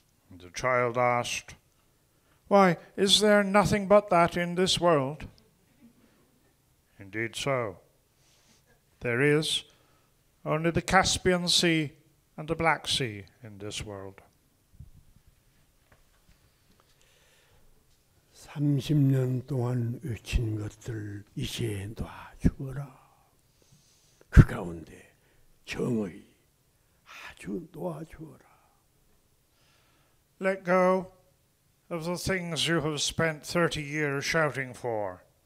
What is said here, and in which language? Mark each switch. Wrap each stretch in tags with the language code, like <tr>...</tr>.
<en>And the child asked, why, is there nothing but that in this world? Indeed so. There is only the Caspian Sea and the Black Sea in this world.</en> <ko>30년 동안 외친 것들 이제 놔주어라. 그 가운데 정의 아주 놓아주어라.</ko> <en>Let go of the things you have spent 30 years shouting for.</en>